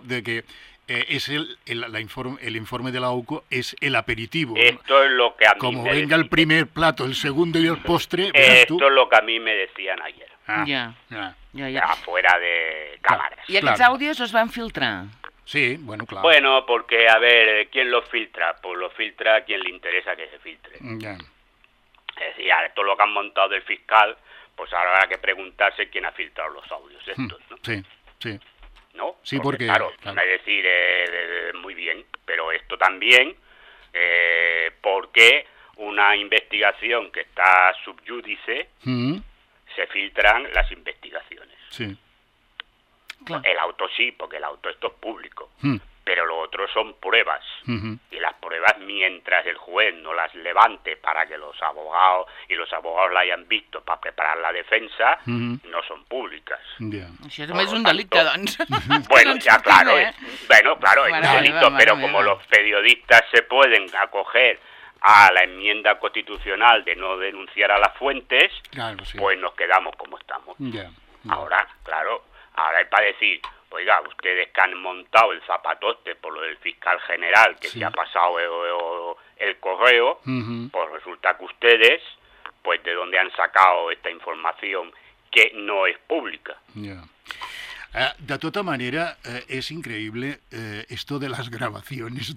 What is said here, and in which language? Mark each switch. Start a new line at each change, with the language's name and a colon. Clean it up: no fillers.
Spanish: De que és el informe de la UCO és el aperitivo. Esto es lo que a mí como venga el primer plato, el segundo y el postre, esto es lo que a mí me decían ayer. Ya. Afuera de cámaras.
Catalan: I aquests àudios es van filtrar.
Spanish: Sí, bueno, claro. Bueno, porque a ver, ¿quién lo filtra? Pues lo filtra a quien le interesa que se filtre. Ya. Es decir, esto lo que han montado del fiscal. Pues ahora habrá que preguntarse quién ha filtrado los audios estos, ¿no? Sí. ¿No? Sí, porque claro. Van a decir, muy bien, pero esto también, porque una investigación que está sub judice, se filtran las investigaciones. Sí. Claro. El auto sí, porque el auto esto es público, pero lo otro son pruebas. Y las pruebas, mientras el juez no las levante para que los abogados la hayan visto para preparar la defensa, no son públicas.
Catalan: Això també és un delicte, doncs. Bueno, ja, claro.
Spanish: Bueno, claro, es un delito, pero como los periodistas se pueden acoger a la enmienda constitucional de no denunciar a las fuentes, pues nos quedamos como estamos. Ahora, claro, ahora hay para decir... Oiga, ustedes que han montado el zapatote por lo del fiscal general, que se ha pasado el correo, pues resulta que ustedes, pues de dónde han sacado esta información que no es pública.
Catalan: De tota manera, és increïble esto de les gravacions.